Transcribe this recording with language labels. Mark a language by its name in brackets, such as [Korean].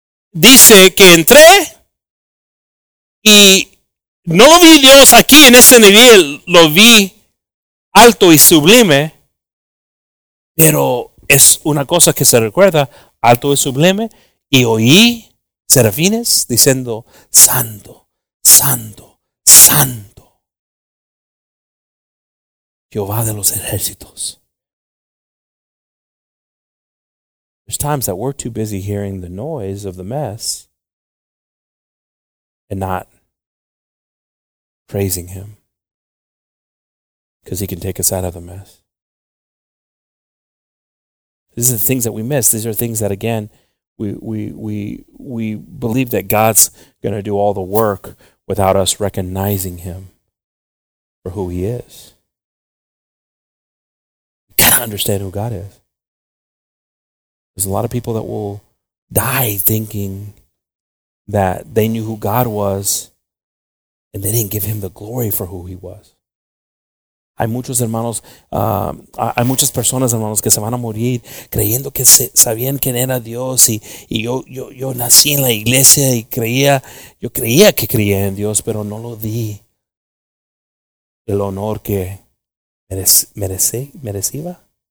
[Spanish] Dice que entré y no vi Dios aquí en este nivel, lo vi alto y sublime, pero es una cosa que se recuerda, alto y sublime, y oí serafines diciendo, Santo, Santo, Santo, Jehová de los ejércitos. [English] There's times that we're too busy hearing the noise of the mess and not praising Him, because He can take us out of the mess. These are the things that we miss. These are things that, again, we believe that God's going to do all the work without us recognizing him for who he is. We can't understand who God is. There's a lot of people that will die thinking that they knew who God was and they didn't give him the glory for who he was. [Spanish] Hay muchos hermanos, hay muchas personas, hermanos, que se van a morir creyendo que sabían quién era Dios. Y yo nací en la iglesia y creía que creía en Dios, pero no lo di el honor que merecía.